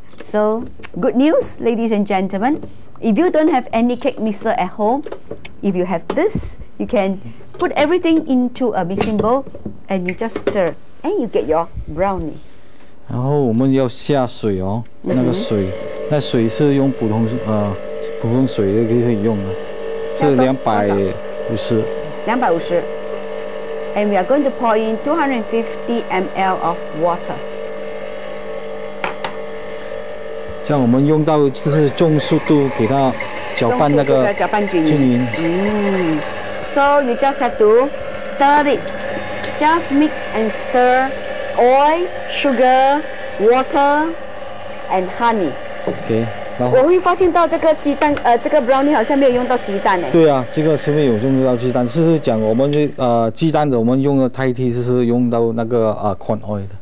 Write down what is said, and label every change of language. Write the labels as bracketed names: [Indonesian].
[English] So good news, ladies and gentlemen, if you don't have any cake mixer at home, if you have this, you can put everything into a mixing bowl and you just stir, and you get your brownie. [Chinese] 然后我们要下水哦，那个水，那水是用普通水也可以用的，是250。 250。 [English] And we are going to pour in 250 ml of water. [Chinese] 这样我们用到就是中速度给它搅拌那个均匀。 [English] So you just have to stir it. Just mix and stir oil, sugar, water, and honey. Okay. [Chinese] 我会发现到这个鸡蛋，这个 brownie 好像没有用到鸡蛋哎。对啊，这个是没有用到鸡蛋，就是讲我们鸡蛋的，我们用的代替就是用到那个corn oil 的。